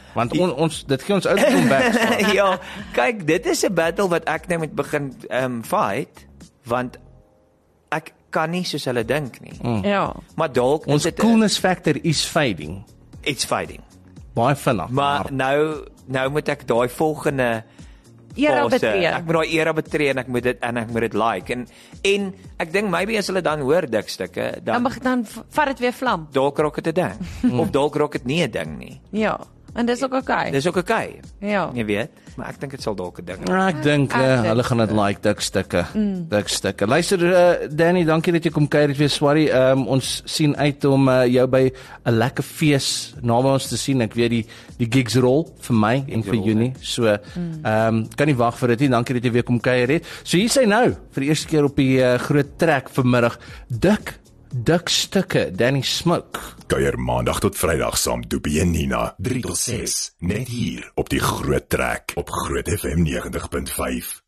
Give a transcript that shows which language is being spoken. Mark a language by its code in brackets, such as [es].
[af] Want ons, dit gee ons uit om back. Ja, kyk, dit is 'n battle wat ek nou moet begin fight, want ek kan nie soos hulle dink nie. Ja. Maar dalk, ons [en] coolness factor is fading. It's fading. [af] Baie vinnig. Maar nou moet ek daai volgende era betree. Ek moet daai era betree en ek moet dit like. En ek dink maybe as hulle dan hoor dik stukke, dan vat dit weer vlam. Dalk rok dit 'n ding. Of dalk rok dit nie 'n ding nie. Ja. En dis ook okay. Dis ook okay. Ja. Jy weet, maar ek dink dit sal dalk 'n ding. Ja, ek dink hulle gaan dit like dik stukke. Dik stukke. Luister Danny, dankie dat jy kom kuier het weer. Sorry. Ons sien uit om jou by 'n lekker fees naby ons te sien. Ek weet die gigs rol vir my gigs en vir Junie. So kan nie wag vir dit nie. Dankie dat jy weer kom kuier het. So hier sy nou vir die eerste keer op die groot trek vanmiddag. Dik stukke Danny Smoke. Kuier maandag tot vrijdag saam Doopie en Nina 3 tot 6 net hier op die Groot Trek op Groot FM 90.5.